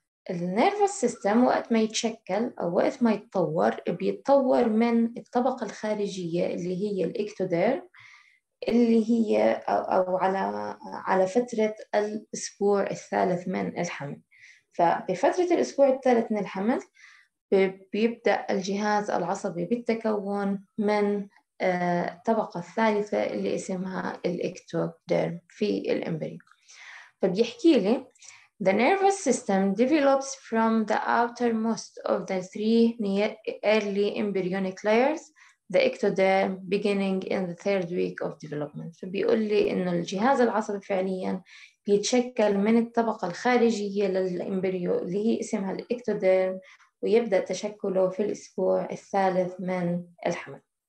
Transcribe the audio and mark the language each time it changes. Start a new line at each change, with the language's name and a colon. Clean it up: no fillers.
Arabic: النيرفس سيستم وقت ما يتشكل أو وقت ما يتطور بيتطور من الطبقة الخارجية اللي هي الإكتوديرم، اللي هي أو على فترة الأسبوع الثالث من الحمل. ففترة الأسبوع الثالث من الحمل بيبدأ الجهاز العصبي بالتكون من الطبقة الثالثة اللي اسمها الإكتوديرم في الإمبريو. فبيحكي لي
English: The nervous system develops from the outermost of the three early embryonic layers, the ectoderm, beginning in the third week of development.
Arabic: فبيقول لي إنه الجهاز العصبي فعلياً بيتشكل من الطبقة الخارجية للإمبريو اللي هي اسمها الإكتوديرم، ويبدأ تشكله في الأسبوع الثالث من الحمل.